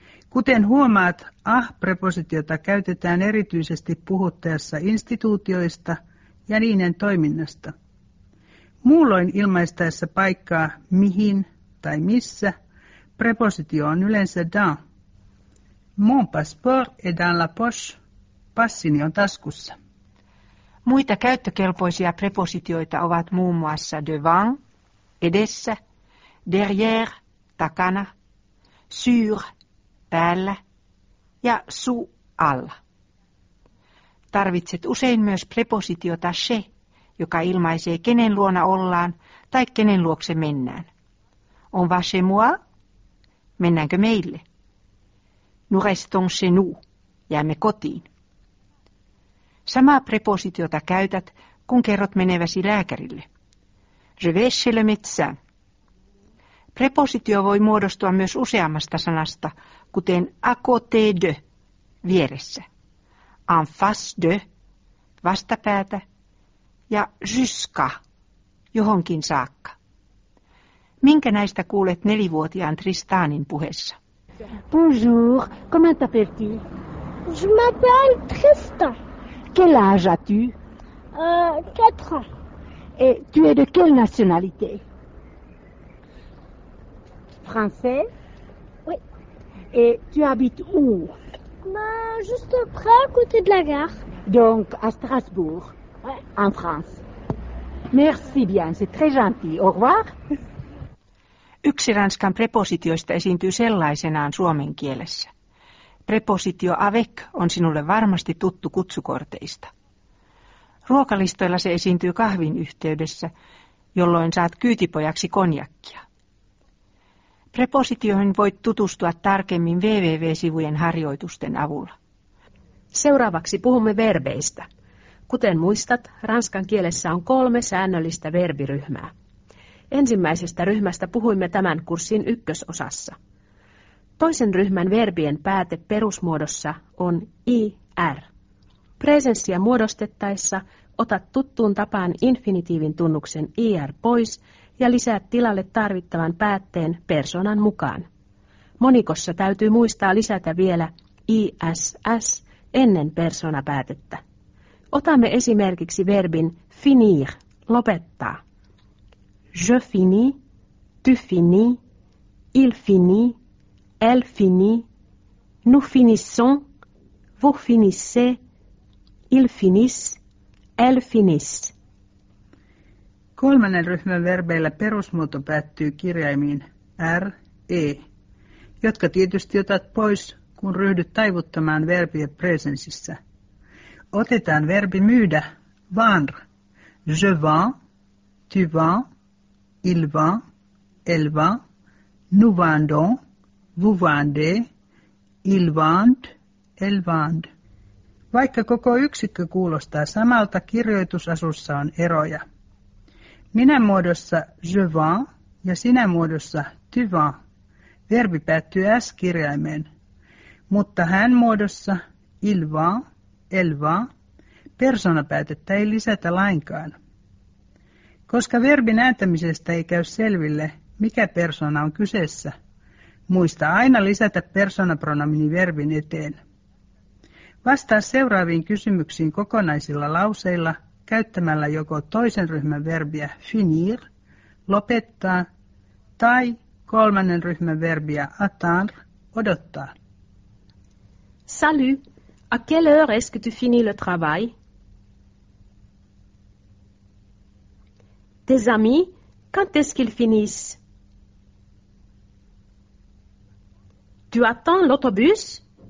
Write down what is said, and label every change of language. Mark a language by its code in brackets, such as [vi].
[fi] Kuten huomaat, prepositiota käytetään erityisesti puhuttaessa instituutioista ja niiden toiminnasta. Muulloin ilmaistaessa paikkaa mihin tai missä, prepositio on yleensä dans. [fr] Mon passeport est dans la poche. [fi] Passini on taskussa. Muita käyttökelpoisia prepositioita ovat muun muassa devant, edessä, derrière, takana, sur, päällä ja sous, alla. Tarvitset usein myös prepositiota chez, joka ilmaisee kenen luona ollaan tai kenen luokse mennään. [fr] On va chez moi? [fi] Mennäänkö meille? [fr] Nous restons chez nous. [fi] Jäämme kotiin. Samaa prepositiota käytät, kun kerrot meneväsi lääkärille. [fr] Je vais chez le médecin. [fi] Prepositio voi muodostua myös useammasta sanasta, kuten à côté de, vieressä, en face de, vastapäätä, ja jusqu'à, johonkin saakka. Minkä näistä kuulet nelivuotiaan Tristanin puheessa? [fr] Bonjour, comment t'appelles-tu? Je m'appelle Tristan. Quel âge as-tu? 4 ans. Et tu es de quelle nationalité? Français. Oui. Et tu habites où? Juste près, à côté de la gare. Donc, à Strasbourg. Ouais. En France. Merci bien, c'est très gentil. Au revoir. [fi] Yksi ranskan prepositioista esiintyy sellaisenaan suomen kielessä. Prepositio avec on sinulle varmasti tuttu kutsukorteista. Ruokalistoilla se esiintyy kahvin yhteydessä, jolloin saat kyytipojaksi konjakkia. Prepositioihin voit tutustua tarkemmin www-sivujen harjoitusten avulla. Seuraavaksi puhumme verbeistä. Kuten muistat, ranskan kielessä on 3 säännöllistä verbiryhmää. Ensimmäisestä ryhmästä puhuimme tämän kurssin ykkösosassa. Toisen ryhmän verbien pääte perusmuodossa on ir. Presenssiä muodostettaessa otat tuttuun tapaan infinitiivin tunnuksen ir pois ja lisäät tilalle tarvittavan päätteen persoonan mukaan. Monikossa täytyy muistaa lisätä vielä iss ennen persoonapäätettä. Otamme esimerkiksi verbin finir, lopettaa. [fr] Je finis, tu finis, il finit, elle finit, nous finissons, vous finissez, ils finissent, elles finissent. [fi] Kolmannen ryhmän verbeillä perusmuoto päättyy kirjaimiin r, e, jotka tietysti otat pois, kun ryhdyt taivuttamaan verbiä presensissä. Otetaan verbi myydä, [fr] vendre, je vends, tu vends. Il vend, elle vend, nous vendons, vous vendez, ils vendent, elles vendent. [fi] Vaikka koko yksikkö kuulostaa samalta, kirjoitusasussa on eroja. Minä muodossa [fr] je vends [fi] ja sinä muodossa [fr] tu vends. [fi] Verbi päättyy s-kirjaimeen, mutta hän muodossa [fr] il vend, elle vend, [fi] persoonapäätettä ei lisätä lainkaan. Koska verbin ääntämisestä ei käy selville, mikä persona on kyseessä, muista aina lisätä persoonapronomini verbin eteen. Vastaa seuraaviin kysymyksiin kokonaisilla lauseilla käyttämällä joko toisen ryhmän verbiä finir, lopettaa, tai kolmannen ryhmän verbiä attendre, odottaa. [fr] Salut, à quelle heure est-ce que tu finis le travail? Tes amis, quand est-ce qu'ils finissent? Tu attends l'autobus?